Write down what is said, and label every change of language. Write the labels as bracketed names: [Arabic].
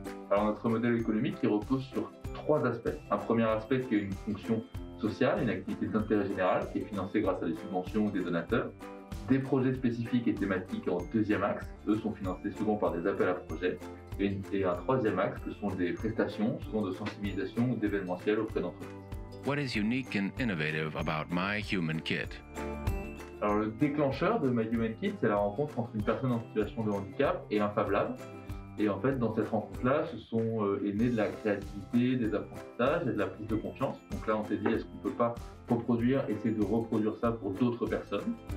[French] Alors notre modèle économique il repose sur trois aspects. Un premier aspect qui est une fonction sociale, une activité d'intérêt général qui est financée grâce à des subventions ou des donateurs. Des projets spécifiques et thématiques en deuxième axe, eux sont financés souvent par des appels à projets. Et un troisième axe, ce sont des prestations, souvent de sensibilisation ou d'événementiel auprès d'entreprises. [English] What is unique and innovative about My Human Kit? [French] Alors le déclencheur de My Human Kit, c'est la rencontre entre une personne en situation de handicap et un Fab Lab. Et en fait, dans cette rencontre-là, ce sont nés de la créativité, des apprentissages et de la prise de confiance. Donc là, on s'est dit, est-ce qu'on ne peut pas reproduire, essayer de reproduire ça pour d'autres personnes?